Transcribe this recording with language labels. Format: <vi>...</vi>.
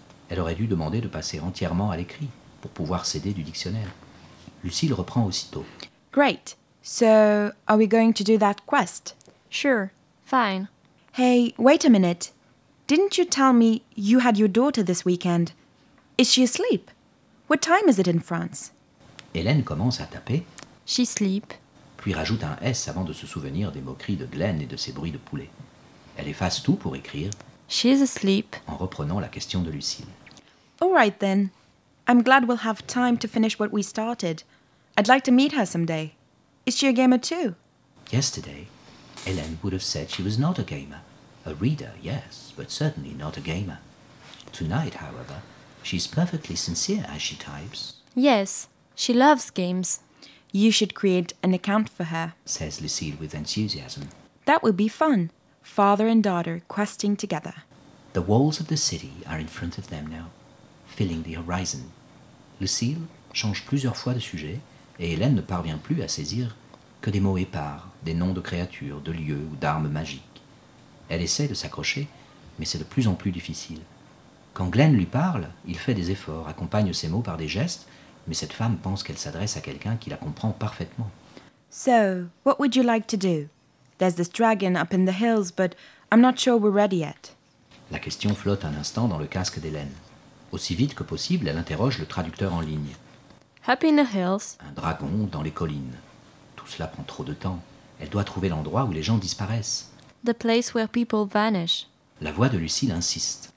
<fr>Elle aurait dû demander de passer entièrement à l'écrit pour pouvoir s'aider du dictionnaire. Lucille reprend aussitôt.</fr> <en>Great. So, are we going to do that quest? Sure. Fine. Hey, wait a minute. Didn't you tell me you had your daughter this weekend? Is she asleep? What time is it in France?</en> <fr>Hélène commence à taper.</fr> <en>She sleep.</en> <fr>Puis rajoute un S avant de se souvenir des moqueries de Glenn et de ses bruits de poulet. Elle efface tout pour écrire.</fr> <en>She's asleep.</en> <fr>En reprenant la question de Lucille.</fr> <en>All right then. I'm glad we'll have time to finish what we started. I'd like to meet her someday. Is she a gamer too? Yesterday, Hélène would have said she was not a gamer. A reader, yes, but certainly not a gamer. Tonight, however, she's perfectly sincere as she types. Yes, she loves games. You should create an account for her, says Lucille with enthusiasm. That would be fun. Father and daughter questing together. The walls of the city are in front of them now, filling the horizon.</en> <fr>Lucille change plusieurs fois de sujet et Hélène ne parvient plus à saisir que des mots épars, des noms de créatures, de lieux ou d'armes magiques. Elle essaie de s'accrocher, mais c'est de plus en plus difficile. Quand Glenn lui parle, il fait des efforts, accompagne ses mots par des gestes, mais cette femme pense qu'elle s'adresse à quelqu'un qui la comprend parfaitement.</fr> <en>So, what would you like to do? There's this dragon up in the hills, but I'm not sure we're ready yet.</en> <fr>La question flotte un instant dans le casque d'Hélène. Aussi vite que possible, elle interroge le traducteur en ligne.</fr> <en>Up in the hills.</en> <fr>Un dragon dans les collines. Tout cela prend trop de temps. Elle doit trouver l'endroit où les gens disparaissent.</fr> <en>The place where people vanish.</en> <fr>La voix de Lucille insiste.</fr>